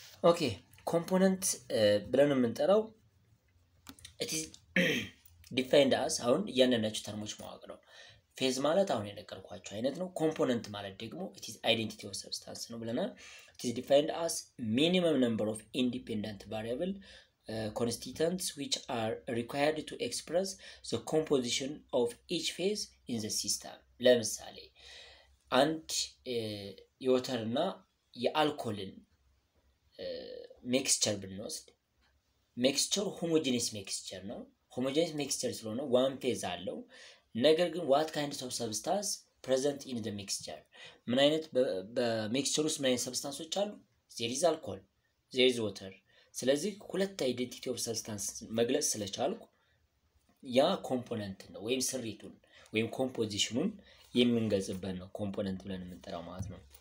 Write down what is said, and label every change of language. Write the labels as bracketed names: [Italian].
[Amharic] ኦኬ ኮምፖነንት ብለንም እንጠራው [English] it is defined as [Amharic] አሁን ያነነቹ ተርሞች ማወቅ ነው። ፌዝ ማለት አሁን የነገርኳችሁ አይነት ነው። ኮምፖነንት ማለት ደግሞ [English] it is identity of substance [Amharic] ነው ብለናል። [English] it is defined as minimum number of independent variable constituents which are required to express the composition of each phase in the system. [Amharic] ለምሳሌ አንድ የወተርና የአልኮልን ሚክስቸር ብንወስድ ሚክስቸር ሆሞጂነስ ሚክስቸር ነው። ሆሞጂነስ ሚክስቸር ስለሆነ ዋን ፌዝ አለው። ነገር ግን [English] what kind of substance present in the mixture? [Amharic] ምን አይነት በሚክስቸር ውስጥ ምን አይነት ሰብስታንሶች አሉ? [English] there is alcohol, there is water. [Amharic] ስለዚህ ሁለት አይዲንቲቲ ኦፍ ሰብስታንስ መግለጽ ስለቻልኩ ያ ኮምፖነንት ነው ወይም ስሪቱን ወይም ኮምፖዚሽኑን የምንገልጽበት ነው ኮምፖነንት ብለን የምንጠራው ማለት ነው።